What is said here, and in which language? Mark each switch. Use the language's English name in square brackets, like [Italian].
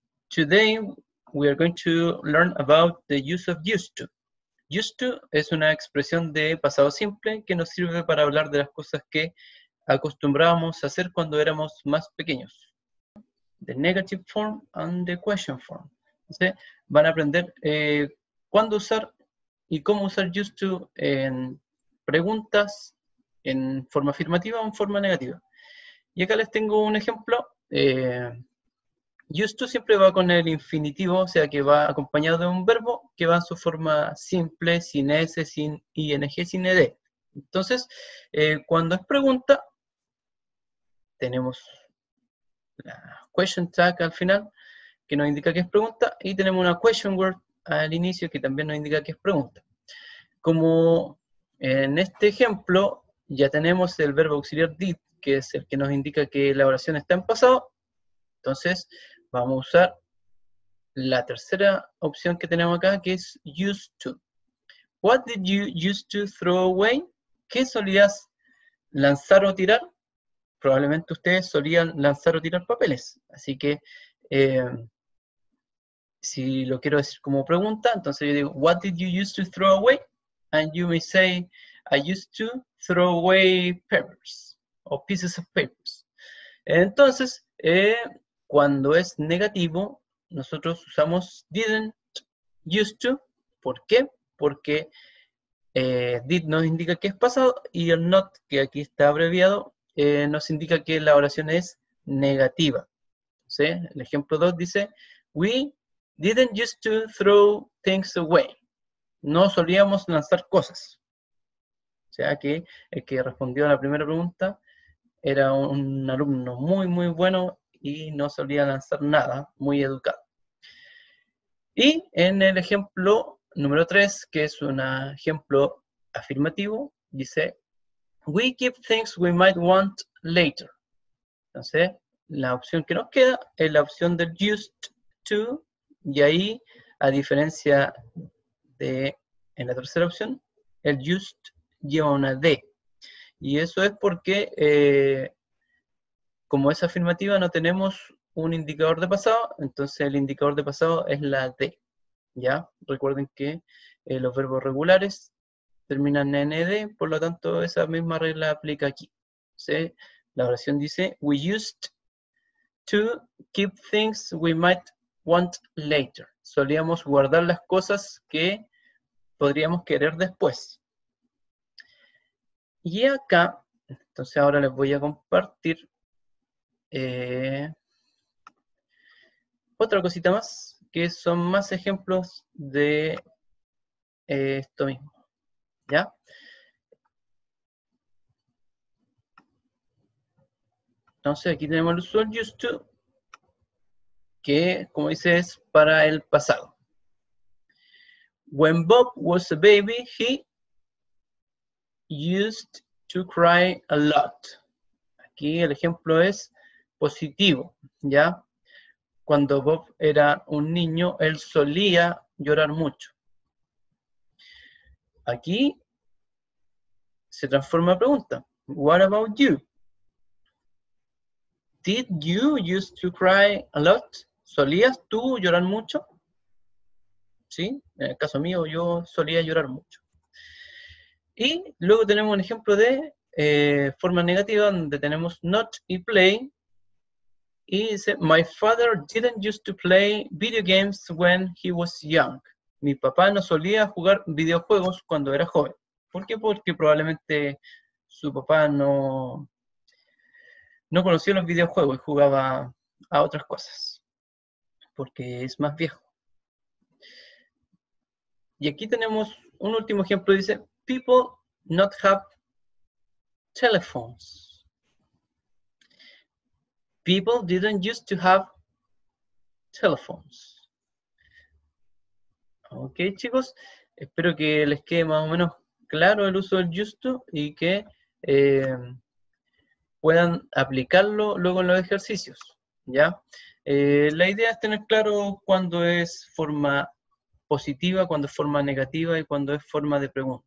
[English] Today, we are going to learn about the use of used to. [Spanish] Used to es una expresión de pasado simple que nos sirve para hablar de las cosas que acostumbrábamos a hacer cuando éramos más pequeños. [English] The negative form and the question form. [Spanish] Entonces, van a aprender cuándo usar y cómo usar used to en preguntas en forma afirmativa o en forma negativa. Y acá les tengo un ejemplo. Used to siempre va con el infinitivo, o sea que va acompañado de un verbo que va en su forma simple, sin S, sin ING, sin ED. Entonces, cuando es pregunta, tenemos la question tag al final, que nos indica que es pregunta, y tenemos una question word al inicio que también nos indica que es pregunta. Como en este ejemplo, ya tenemos el verbo auxiliar did, que es el que nos indica que la oración está en pasado. Entonces, vamos a usar la tercera opción que tenemos acá, que es used to. [English] What did you used to throw away? [Spanish] ¿Qué solías lanzar o tirar? Probablemente ustedes solían lanzar o tirar papeles. Así que, si lo quiero decir como pregunta, entonces yo digo, [English] what did you used to throw away? And you may say, I used to throw away papers. O pieces of papers. [Spanish] Entonces, cuando es negativo, nosotros usamos didn't, used to. ¿Por qué? Porque did nos indica que es pasado y el not, que aquí está abreviado, nos indica que la oración es negativa. ¿Sí? El ejemplo 2 dice, [English] we didn't used to throw things away. [Spanish] No solíamos lanzar cosas. O sea que el que respondió a la primera pregunta era un alumno muy, muy bueno y no solía lanzar nada, muy educado. Y en el ejemplo número 3, que es un ejemplo afirmativo, dice, [English] we keep things we might want later. [Spanish] Entonces, la opción que nos queda es la opción del used to, y ahí, a diferencia de en la tercera opción, el used lleva una D. Y eso es porque, como es afirmativa, no tenemos un indicador de pasado, entonces el indicador de pasado es la D, ¿ya? Recuerden que los verbos regulares terminan en ED, por lo tanto, esa misma regla aplica aquí. ¿Sí? La oración dice, [English] we used to keep things we might want later. [Spanish] Solíamos guardar las cosas que podríamos querer después. Y acá, entonces ahora les voy a compartir otra cosita más, que son más ejemplos de esto mismo, ¿ya? Entonces aquí tenemos el usual used to, que como dice es para el pasado. [English] When Bob was a baby, he used to cry a lot. [Spanish] Aquí el ejemplo es positivo, ¿ya? Cuando Bob era un niño, él solía llorar mucho. Aquí se transforma en pregunta. [English] What about you? Did you used to cry a lot? [Spanish] ¿Solías tú llorar mucho? ¿Sí? En el caso mío, yo solía llorar mucho. Y luego tenemos un ejemplo de forma negativa, donde tenemos not y play. Y dice, [English] my father didn't used to play video games when he was young. [Spanish] Mi papá no solía jugar videojuegos cuando era joven. ¿Por qué? Porque probablemente su papá no conocía los videojuegos y jugaba a otras cosas. Porque es más viejo. Y aquí tenemos un último ejemplo, dice, [English] people not have telephones. People didn't used to have telephones. [Spanish] Ok, chicos, espero que les quede más o menos claro el uso del used to y que puedan aplicarlo luego en los ejercicios, ¿ya? La idea es tener claro cuándo es forma positiva, cuándo es forma negativa y cuándo es forma de pregunta.